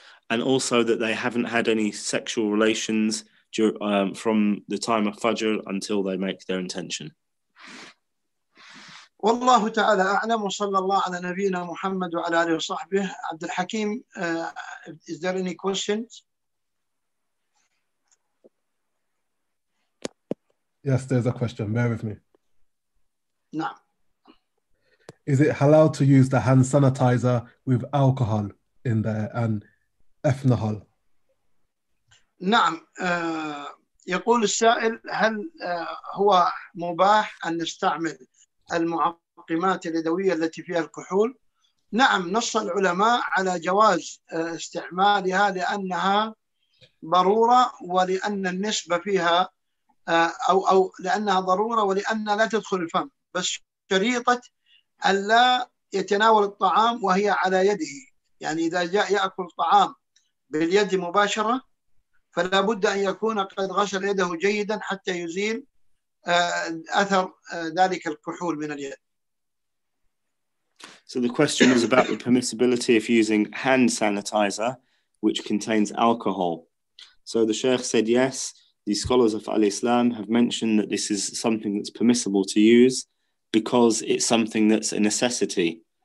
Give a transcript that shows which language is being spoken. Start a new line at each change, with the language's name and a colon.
English: And also that they haven't had any sexual relations from the time of Fajr until they make their intention.
Arabic: والله تعالى أعلم، وصلى الله على نبينا محمد وعلى آله وصحبه.
English: عبد الحكيم, is there any questions? Yes, there's a question. Bear with me. No. Is it halal to use the hand sanitizer with alcohol in there and ethanol?
Arabic: نعم. يقول السائل هل هو مباح أن نستعمل المعقمات اليدوية التي فيها الكحول، نعم نص العلماء على جواز استعمالها لأنها ضرورة ولأن النسبة فيها أو لأنها ضرورة ولأنها لا تدخل الفم، بس شريطة ألا يتناول الطعام وهي على يده، يعني إذا جاء يأكل الطعام باليد مباشرة فلا بد أن يكون قد غسل يده جيدا حتى يزيل أثر ذلك الكحول من اليد.
English: So the question is about the permissibility of using hand sanitizer which contains alcohol. So the Sheikh said yes, the scholars of Al-Islam have mentioned that this is something that's permissible to use because it's something that's a necessity.